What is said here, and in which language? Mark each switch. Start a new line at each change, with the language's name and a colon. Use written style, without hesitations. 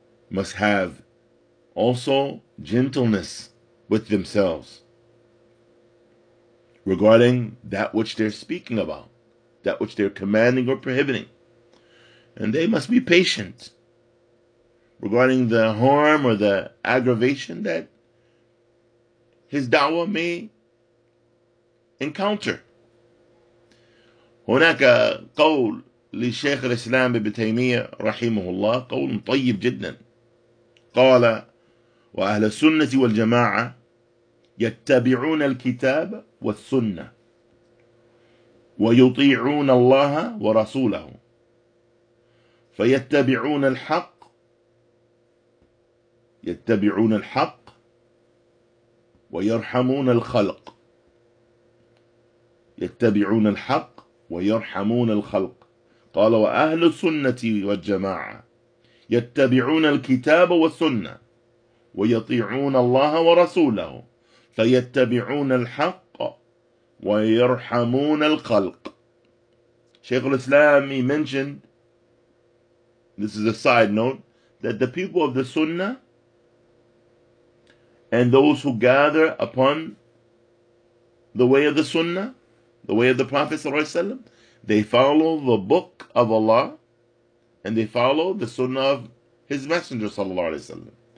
English: Must have also gentleness with themselves regarding that which they're speaking about, that which they're commanding or prohibiting. And they must be patient regarding the harm or the aggravation that his da'wah may encounter.
Arabic: هناك قول لشيخ الإسلام ابن تيمية رحمه الله قول طيب جدا قال وأهل السنة والجماعة يتبعون الكتاب والسنة ويطيعون الله ورسوله فيتبعون الحق يتبعون الحق ويرحمون الخلق يتبعون الحق ويرحمون الخلق قال وأهل السنة والجماعة يتبعون الكتاب والسنة ويطيعون الله ورسوله فيتبعون الحق ويرحمون الخلق.
English: شيخ الإسلام he mentioned, this is a side note, that the people of the Sunnah and those who gather upon the way of the Sunnah, the way of the Prophet ﷺ, they follow the book of Allah and they follow the Sunnah of His Messenger ﷺ.